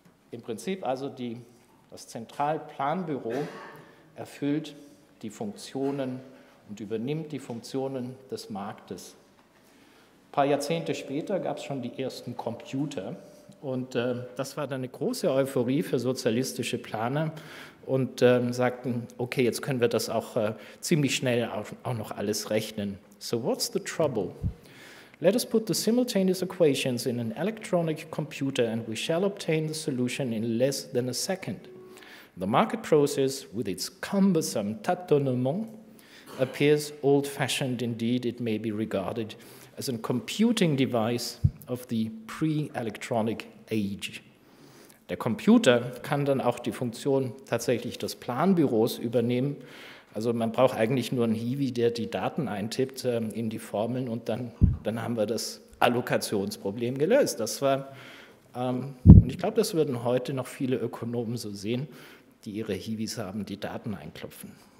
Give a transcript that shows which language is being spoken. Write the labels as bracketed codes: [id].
[de] Im Prinzip also das Zentralplanbüro erfüllt die Funktionen und übernimmt die Funktionen des Marktes. Ein paar Jahrzehnte später gab es schon die ersten Computer. Und das war dann eine große Euphorie für sozialistische Planer und sagten, okay, jetzt können wir das auch ziemlich schnell auch noch alles rechnen. [en] So what's the trouble? Let us put the simultaneous equations in an electronic computer and we shall obtain the solution in less than a second. The market process with its cumbersome tâtonnement appears old-fashioned indeed, it may be regarded as a computing device of the pre-electronic age. [de] Der Computer kann dann auch die Funktion tatsächlich des Planbüros übernehmen. Also man braucht eigentlich nur einen Hiwi, der die Daten eintippt in die Formeln und dann haben wir das Allokationsproblem gelöst. Das war, und ich glaube, das würden heute noch viele Ökonomen so sehen, die ihre Hiwis haben, die Daten einklopfen.